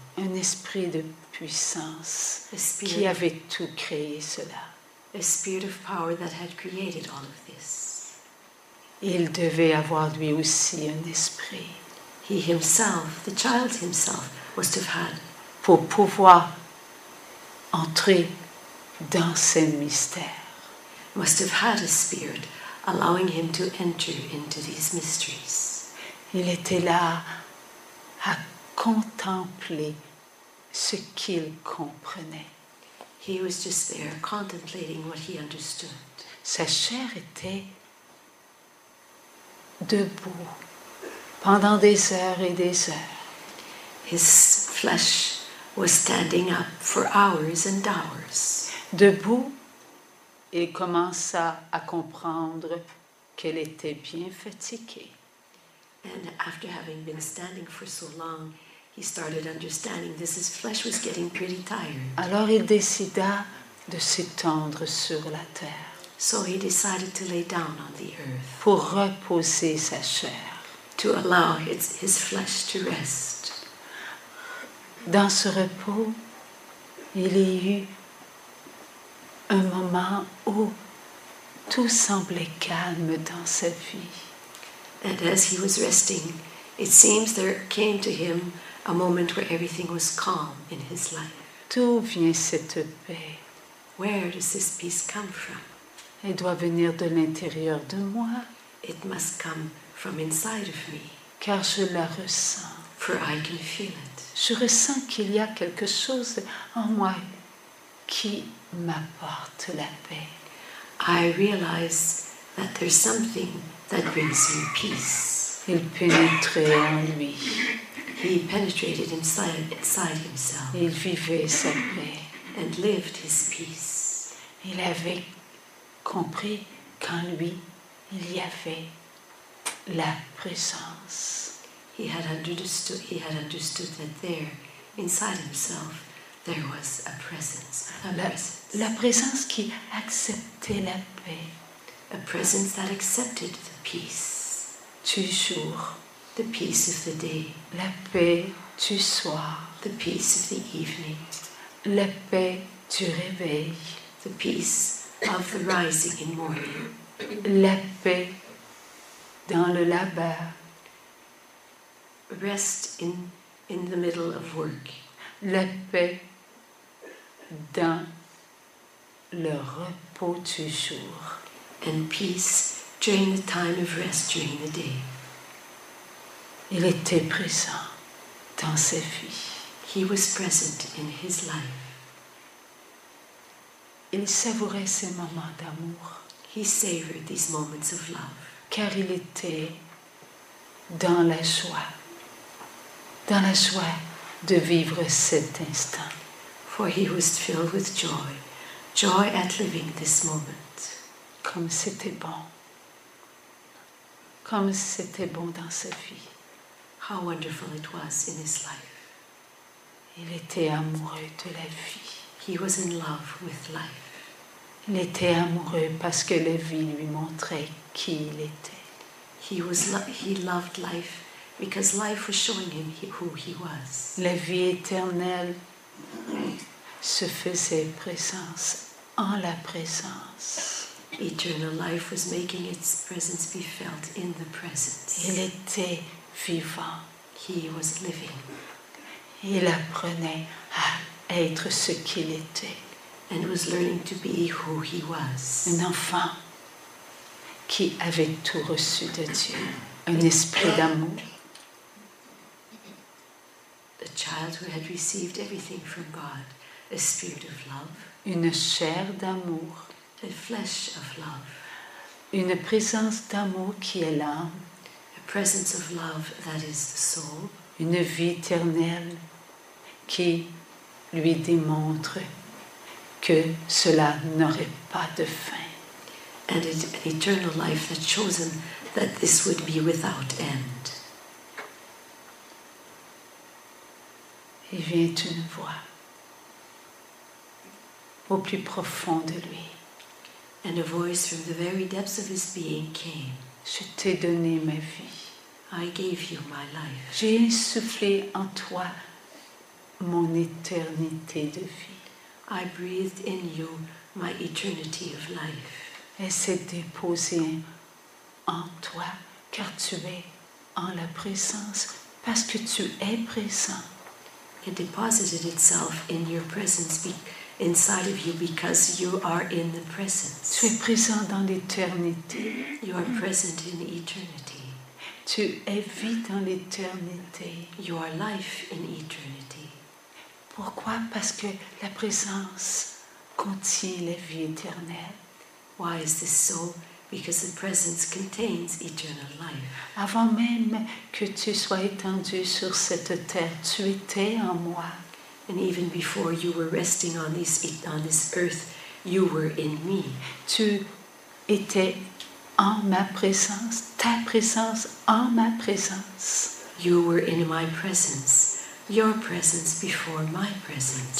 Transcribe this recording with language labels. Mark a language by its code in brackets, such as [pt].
[fr] Un esprit de puissance qui avait tout créé cela. [en] A spirit of power that had created all of this. [fr] Il devait avoir lui aussi un esprit. [en] He himself, the child himself, must have had [fr] pour pouvoir entrer dans ces mystères. [en] Must have had a spirit allowing him to enter into these mysteries. [fr] Il était là à contempler ce qu'il comprenait. [en] He was just there contemplating what he understood. [fr] Sa chair était debout pendant des heures et des heures. [en] His flesh was standing up for hours and hours. [fr] Debout, il commença à comprendre qu'elle était bien fatiguée. [en] And after having been standing for so long, he started understanding this. His flesh was getting pretty tired. [fr] Alors il décida de s'étendre sur la terre. [en] So he decided to lay down on the earth. [fr] Pour reposer sa chair. [en] To allow his flesh to rest. [fr] Dans ce repos, il y eut un moment où tout semblait calme dans sa vie. [en] And as he was resting, it seems there came to him a moment where everything was calm in his life. [fr] D'où vient cette paix? [en] Where does this peace come from? [fr] Elle doit venir de l'intérieur de moi. [en] It must come from inside of me. [fr] Car je la ressens. [en] For I can feel it. [fr] Je ressens qu'il y a quelque chose en moi qui m'apporte la paix. [en] I realize that there's something that brings me peace. [fr] Il pénétrait en lui. [en] He penetrated inside himself. [fr] Il vivait sa paix. [en] And lived his peace. [fr] Il avait compris qu'en lui, il y avait la présence. [en] He had understood that there, inside himself, there was a presence. [fr] La présence qui acceptait la paix. [en] A presence that accepted the peace. [fr] Toujours. [en] The peace of the day. [fr] La paix du soir. [en] The peace of the evening. [fr] La paix du réveil. [en] The peace of the rising in morning. [fr] La paix dans le labeur. [en] Rest in the middle of work. [fr] La paix dans le repos du jour. [en] And peace during the time of rest during the day. [fr] Il était présent dans sa vie. [en] He was present in his life. [fr] Il savourait ces moments d'amour. [en] He savored these moments of love. [fr] Car il était dans la joie. Dans la joie de vivre cet instant. [en] For he was filled with joy. Joy at living this moment. [fr] Comme c'était bon. Comme c'était bon dans sa vie. [en] How wonderful it was in his life. [fr] Il était amoureux de la vie. [en] He was in love with life. [fr] Il était amoureux parce que la vie lui montrait qui il était. [en] He loved life because life was showing him who he was. [fr] La vie éternelle se faisait présence en la présence. [en] Eternal life was making its presence be felt in the presence. [fr] Il était vivant. [en] He was living. [fr] Il apprenait à être ce qu'il était. [en] And was learning to be who he was. [fr] Un enfant qui avait tout reçu de Dieu. Un esprit d'amour. [en] A child who had received everything from God. A spirit of love. [fr] Une chair d'amour. [en] A flesh of love. [fr] Une présence d'amour qui est l'âme. [en] Presence of love that is the soul. [fr] Une vie éternelle qui lui démontre que cela n'aurait pas de fin. [en] And an eternal life that shows him that this would be without end. [fr] Il vient une voix au plus profond de lui. [en] And a voice from the very depths of his being came. [fr] Je t'ai donné ma vie. [en] I gave you my life. [fr] J'ai insufflé en toi mon éternité de vie. [en] I breathed in you my eternity of life. [fr] Et c'est déposé en toi, car tu es en la présence, parce que tu es présent. [en] It deposited itself in your presence, inside of you, because you are in the presence. [fr] Tu es présent dans l'éternité. [en] You are present in eternity. [fr] Tu es vie dans l'éternité. [en] You are life in eternity. [fr] Pourquoi? Parce que la présence contient la vie éternelle. [en] Why is this so? Because the presence contains eternal life. [fr] Avant même que tu sois étendu sur cette terre, tu étais en moi. [en] And even before you were resting on this earth, you were in me. [fr] Tu étais en ma présence, ta présence, en ma présence. [en] You were in my presence, your presence before my presence.